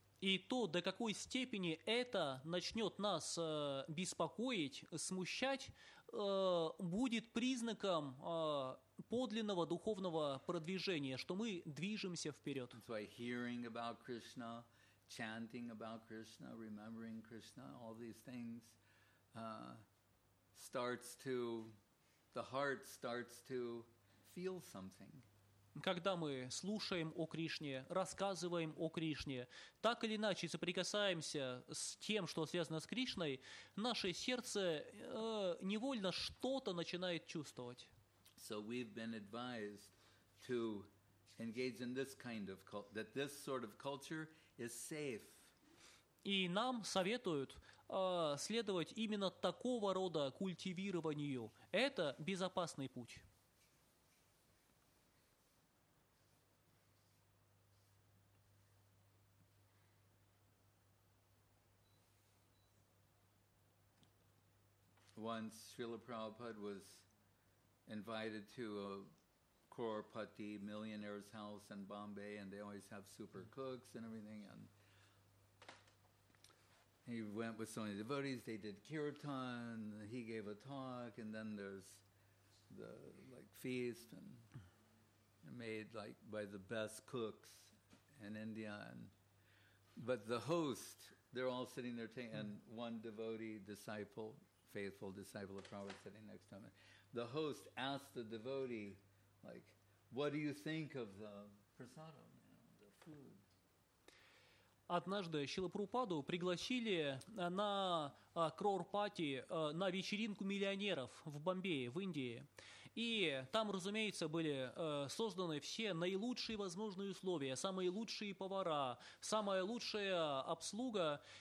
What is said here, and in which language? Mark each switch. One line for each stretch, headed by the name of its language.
Russian: И то, до какой степени это начнет нас беспокоить, смущать, будет признаком подлинного духовного продвижения, что мы движемся вперед.
English: That's why hearing about Krishna, chanting about Krishna, remembering Krishna, all these things starts to, the heart starts to feel something.
Russian: Когда мы слушаем о Кришне, рассказываем о Кришне, так или иначе соприкасаемся с тем, что связано с Кришной, наше сердце невольно что-то начинает чувствовать.
English: So we've been advised to engage in this kind of culture, that this sort of culture is safe.
Russian: И нам советуют следовать именно такого рода культивированию. Это безопасный путь.
English: Once Srila Prabhupada was invited to a crorepati millionaire's house in Bombay, and they always have super cooks and everything. And he went with so many devotees. They did kirtan. He gave a talk, and then there's the like feast and made like by the best cooks in India. And but the host, they're all sitting there, and one devotee disciple. Faithful disciple of Prabhupada sitting next to him. The host asked the devotee, like, what do you think of the prasadam, you know, the food?
Russian: Однажды Шрила Прабхупаду пригласили на крор-пати, на вечеринку миллионеров в Бомбее, в Индии. И там, разумеется, были созданы все наилучшие возможные условия, самые лучшие повара, самая лучшая обслуга.